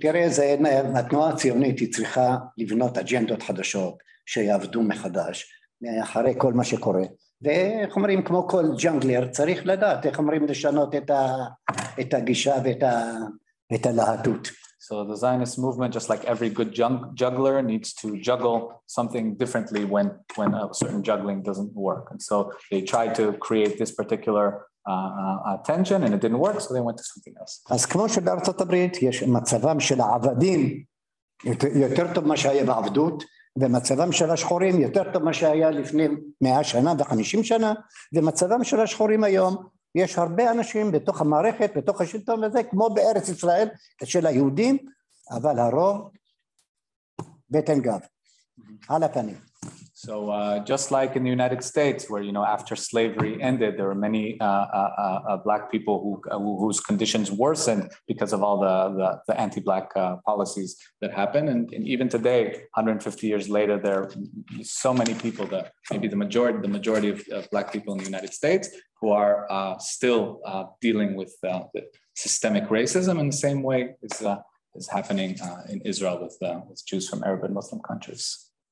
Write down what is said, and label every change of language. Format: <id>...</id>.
<he>תראה, זה התנועה הציונית צריכה לבנות אג'נדות חדשות שיעבדו מחדש אחרי כל מה שקורה, ואיך אומרים, כמו כל ג'אנגלר, צריך לדעת איך אומרים לשנות את הגישה ואת הלהטות.</he> <en>So the Zionist movement, just like every good juggler, needs to juggle something differently when a certain juggling doesn't work. And so they tried to create this particular tension, and it didn't work, so they went to something else.</en> <he>אז כמו שבארצות הברית, יש מצבם של העבדים יותר טוב מה שהיה בעבדות, ומצבם של השחורים יותר טוב מה שהיה לפני 100 שנה ו-50 שנה, ומצבם של השחורים היום, יש הרבה אנשים בתוך המערכת, בתוך השלטון הזה, כמו בארץ ישראל של היהודים, אבל הרוב בטן גב, על הפנים.</he> <en>So just like in the United States, where, you know, after slavery ended, there were many black people whose conditions worsened because of all the anti-black policies that happened. And even today, 150 years later, there are so many people that maybe the majority of black people in the United States who are still dealing with the systemic racism in the same way is happening in Israel with Jews from Arab and Muslim countries.</en>